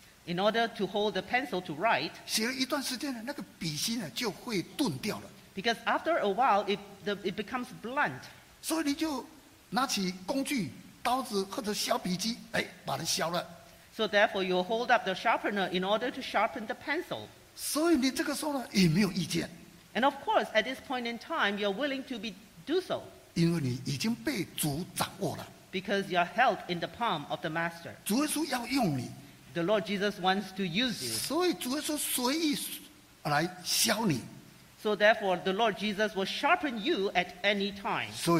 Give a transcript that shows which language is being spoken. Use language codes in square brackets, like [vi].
[en] in order to hold the pencil to write, [zh] 写了一段时间了,那个笔芯就会钝掉了, [en] because after a while it becomes blunt, [zh] 所以你就拿起工具,刀子或者削笔机, 哎,把它削了, [en] so therefore you hold up the sharpener in order to sharpen the pencil, [zh] 所以你这个时候呢,也没有意见, [en] and of course at this point in time you're willing to do so, [zh] 因为你已经被主掌握了, [en] because you are held in the palm of the master. [zh] 主耶稣要用你, [en] the Lord Jesus wants to use you. [zh] 所以主耶稣随意来削你, [en] so therefore, the Lord Jesus will sharpen you at any time.